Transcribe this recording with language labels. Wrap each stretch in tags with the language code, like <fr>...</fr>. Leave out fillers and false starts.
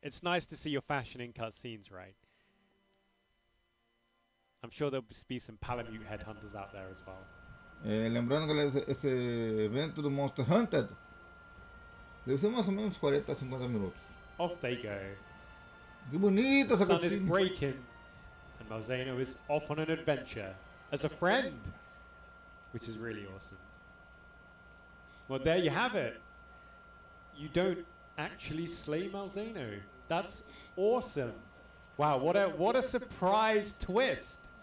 <en>It's nice to see your fashion in cutscenes, right? I'm sure there'll be some Palamute headhunters out there as well.</en> <pt>Lembrando que esse evento do Monster Hunted deve ser mais ou menos 40 a 50 minutos.</pt> <en>Off they go.</en> <pt>Que bonita essa cutscene.</pt> <en>The sun is breaking, and Malzano is off on an adventure as a friend, which is really awesome. Well, there you have it. You don't actually slay Malzano. That's awesome. Wow, what a surprise twist.</en>